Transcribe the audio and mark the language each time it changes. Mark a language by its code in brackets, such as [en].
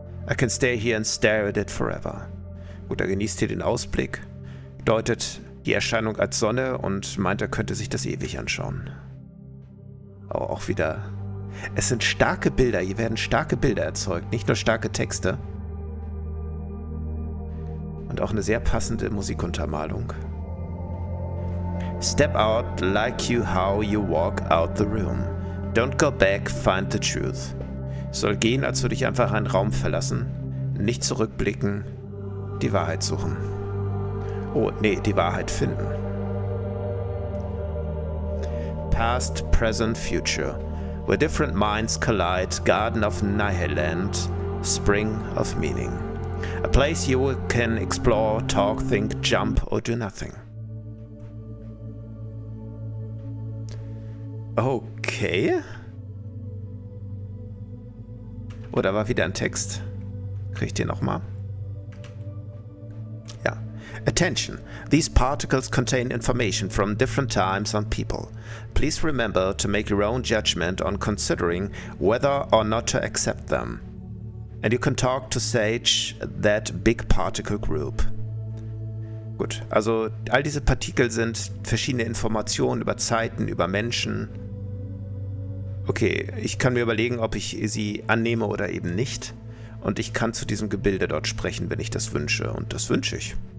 [en] I can stay here and stare at it forever. [de] Gut, er genießt hier den Ausblick, deutet die Erscheinung als Sonne und meint, er könnte sich das ewig anschauen. Aber auch wieder, es sind starke Bilder, hier werden starke Bilder erzeugt, nicht nur starke Texte. Und auch eine sehr passende Musikuntermalung. [en] Step out like you how you walk out the room. Don't go back, find the truth. [de] Soll gehen, als würde ich einfach einen Raum verlassen, nicht zurückblicken, die Wahrheit suchen. Oh, nee, die Wahrheit finden. [en] Past, present, future. Where different minds collide. Garden of Nihiland. Spring of meaning. A place you can explore, talk, think, jump or do nothing. Okay. [de] Oh, da war wieder ein Text. Krieg ich den nochmal? [en] Attention! These particles contain information from different times and people. Please remember to make your own judgment on considering whether or not to accept them. And you can talk to Sage, that big particle group. [de] Gut, also all diese Partikel sind verschiedene Informationen über Zeiten, über Menschen. Okay, ich kann mir überlegen, ob ich sie annehme oder eben nicht. Und ich kann zu diesem Gebilde dort sprechen, wenn ich das wünsche. Und das wünsche ich.